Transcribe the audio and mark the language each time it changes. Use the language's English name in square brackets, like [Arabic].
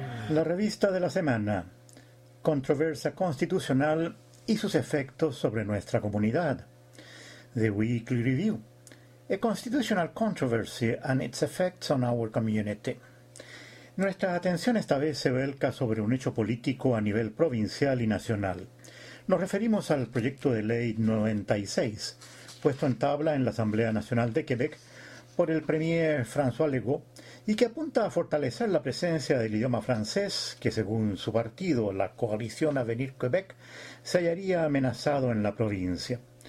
[Spanish] La revista de la semana, Controversia Constitucional y sus efectos sobre nuestra comunidad. [English] The Weekly Review, A Constitutional Controversy and its Effects on Our Community. [Spanish] Nuestra atención esta vez se vuelca sobre un hecho político a nivel provincial y nacional. Nos referimos al proyecto de ley 96, puesto en tabla en la Asamblea Nacional de Quebec por el premier François Legault y que apunta a fortalecer la presencia del idioma francés, que según su partido, la coalición Avenir Québec, se hallaría amenazado en la provincia.